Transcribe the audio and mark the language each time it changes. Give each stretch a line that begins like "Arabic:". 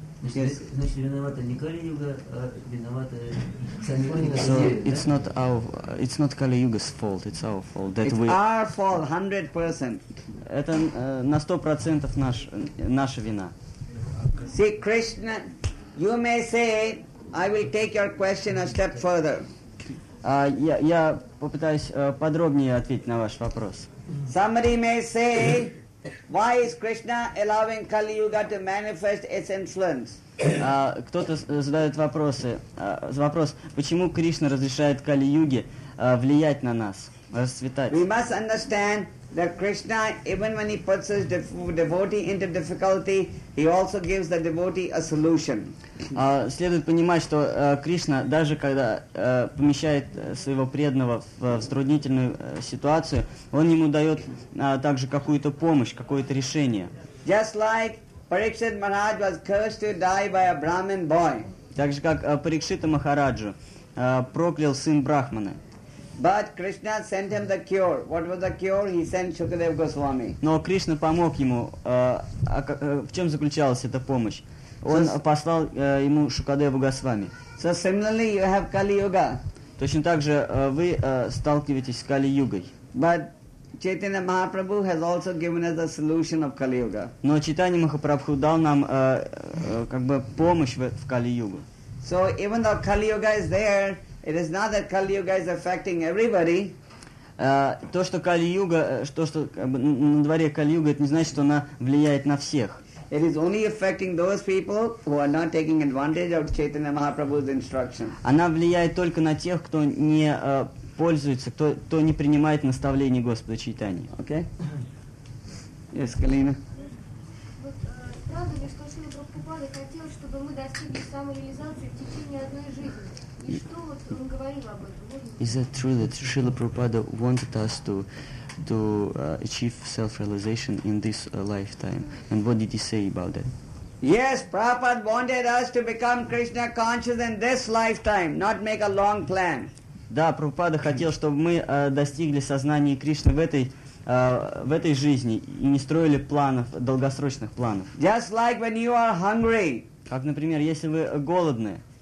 Russian: Значит, виновата не Кали-Юга, а виновата сами люди.
English: So it's not our, it's not Kali-Yuga's fault, it's our fault. That it's we... our fault, 100%.
Russian: Это на 100% наша вина.
English: See, Krishna, you may say, I will take your question a step further.
Russian: Я попытаюсь подробнее ответить на ваш вопрос.
English: Somebody may say, why is Krishna allowing Kali Yuga to manifest its influence?
Russian: Кто-то задает вопросы. Вопрос, почему Кришна разрешает Кали Юге влиять на нас, расцветать?
English: We must understand that Krishna, even when he puts his devotee into difficulty, he also gives the devotee a solution.
Russian: Следует понимать, что Кришна, даже когда помещает своего преданного в затруднительную ситуацию, он ему дает также какую-то помощь, какое-то решение.
English: Just like Parikshit Maharaj was cursed to die by a Brahmin boy.
Russian: Так же, как Парикшита Махараджу проклял сын Брахманы.
English: But Krishna sent him the cure. What was the cure? He sent Shukadev Goswami.
Russian: Но Кришна помог ему. В чем заключалась эта помощь? Он послал ему Шукадеву Госвами.
English: So similarly, you have Kali Yuga.
Russian: Точно так же вы сталкиваетесь с Кали Югой.
English: But Chaitanya Mahaprabhu has also given us the solution of Kali Yuga.
Russian: Но Чайтанья Махапрабху дал нам как бы помощь в Кали Югу.
English: So even though Kali Yuga is there, it is not that Kali Yuga is affecting everybody.
Russian: То, что Кали Юга, что как бы, на дворе Кали Юга, это не значит, что она влияет на всех.
English: It is only affecting those people who are not taking advantage of Chaitanya Mahaprabhu's instruction.
Russian: Она влияет только на тех, кто не пользуется, кто не принимает наставление Господа Чайтаньи.
English: Okay? Yes, Kalina.
Russian: Правда ли, что Шрила Прабхупада хотел, чтобы мы достигли самореализации в течение одной жизни? И что вот мы говорим об этом?
English: Is it true that Шрила Прабхупада wanted us to achieve self-realization in this lifetime, and what did he say about that? Yes, Prabhupada wanted us to become Krishna conscious in this lifetime, not make a long plan.
Russian: Да, Прабхупада хотел, чтобы мы достигли сознания Кришны в этой жизни и не строили планов, долгосрочных планов.
English: Just like when you are hungry.
Russian: Как, например, если вы голодны.